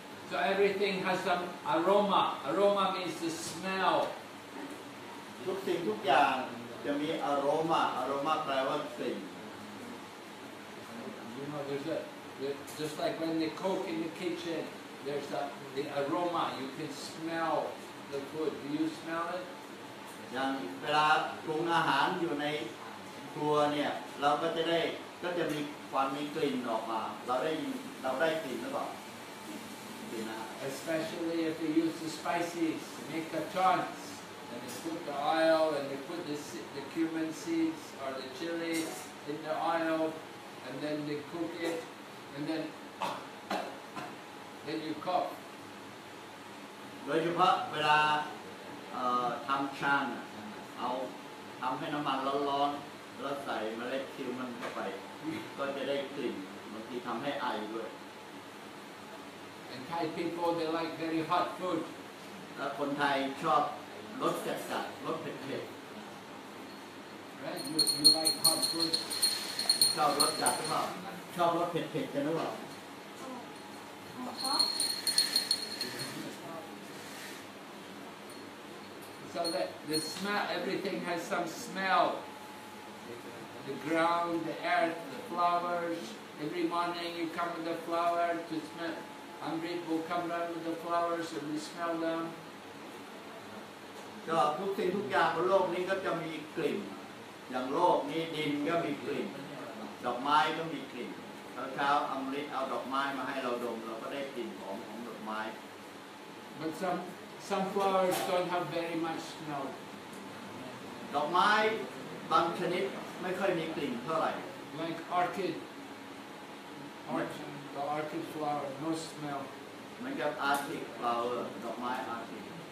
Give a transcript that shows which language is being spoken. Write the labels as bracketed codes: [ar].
[en] So everything has some aroma. Aroma means the smell. [th] ทุกสิ่งทุกอย่างจะมีอารมณ์อารมณ์แปลว่าสิ่ง [en] You know, there's a just like when they cook in the kitchen, there's the aroma. You can smell the food. Do you smell it? [th] อย่างเวลาปรุงอาหารอยู่ในครัวเนี่ยเราก็จะได้ก็จะมีความมีกลิ่นออกมาเราได้กลิ่นหรือเปล่า [en] Especially if they use the spices, make a chance, and they put the oil, and they put the cumin seeds or the chili in the oil, and then they cook it, and then you cough. [th] โดยเฉพาะเวลาทำชานเอาทำให้น้ำมันร้อนๆแล้วใส่เมล็ดคิวมันเข้าไปก็จะได้กลิ่นบางทีทำให้ไอด้วย [en] Thai people they like very hot food. [th] คนไทยชอบรสจัดจัดรสเผ็ด เผ็ด [en] Right? You like hot food? [th] ชอบรสจัดหรือเปล่าชอบรสเผ็ดเผ็ดกันหรือเปล่า ชอบ [en] So that the smell everything has some smell. The ground, the earth, the flowers. Every morning you come with the flower to smell. Amrit will come down with the flowers and we smell them. [th] ก็ทุกสิ่งทุกอย่างบนโลกนี้ก็จะมีกลิ่นอย่างโลกนี้ดินก็มีกลิ่นดอกไม้ก็มีกลิ่นเช้าๆอมฤตเอาดอกไม้มาให้เราดมเราก็ได้กลิ่นหอมของดอกไม้ [en] But some flowers don't have very much smell. [th] ดอกไม้บางชนิดไม่ค่อยมีกลิ่นเท่าไหร่ [en] Like orchid. The orchid flower, no smell. [th] มันกับอาร์ติกฟลาวเวอร์ดอกไม้อาร์ติก